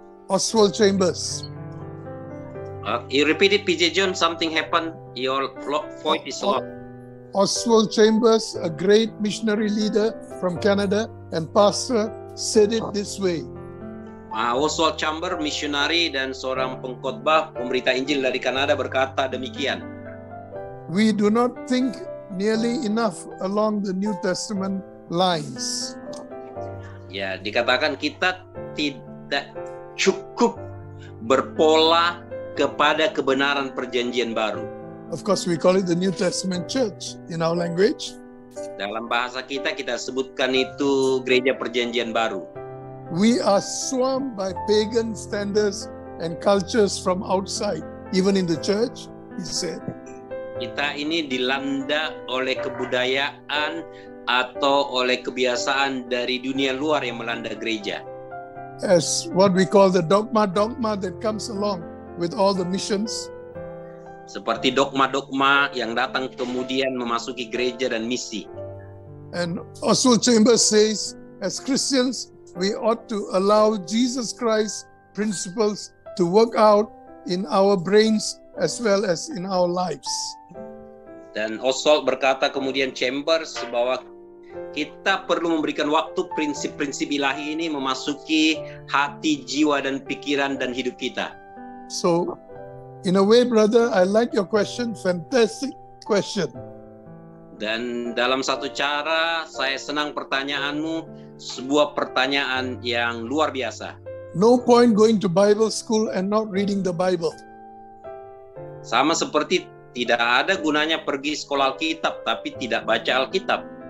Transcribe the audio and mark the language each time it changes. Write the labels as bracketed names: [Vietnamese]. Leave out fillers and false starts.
[English] Oswald Chambers. You repeat it, PJ John, something happened. Your voice is low. Oswald Chambers, a great missionary leader from Canada and pastor, said it this way. [Indonesian] Oswald Chambers, missionary dan seorang pengkhotbah pemberita Injil dari Kanada, berkata demikian. [English] We do not think nearly enough along the New Testament lines. [Indonesian] Ya, dikatakan kita tidak cukup berpola kepada kebenaran perjanjian baru. [English] Of course, we call it the New Testament Church in our language. [Indonesian] Dalam bahasa kita, kita sebutkan itu gereja perjanjian baru. [English] We are swamped by pagan standards and cultures from outside, even in the church, he said. [Indonesian] Kita ini dilanda oleh kebudayaan atau oleh kebiasaan dari dunia luar yang melanda gereja. [English] As what we call the dogma that comes along with all the missions. [Indonesian] Seperti dogma-dogma yang datang kemudian memasuki gereja dan misi. [English] And Oswald Chambers says, as Christians, we ought to allow Jesus Christ's principles to work out in our brains as well as in our lives. [Indonesian] Dan Oswald berkata kemudian, Chambers, bahwa kita perlu memberikan waktu prinsip-prinsip ilahi ini memasuki hati, jiwa, dan pikiran dan hidup kita. [English] So, in a way, brother, I like your question. Fantastic question. [Indonesian] Dan dalam satu cara, saya senang pertanyaanmu. Sebuah pertanyaan yang luar biasa. [English] No point going to Bible school and not reading the Bible. [Indonesian] Sama seperti tidak ada gunanya pergi sekolah Alkitab, tapi tidak baca Alkitab.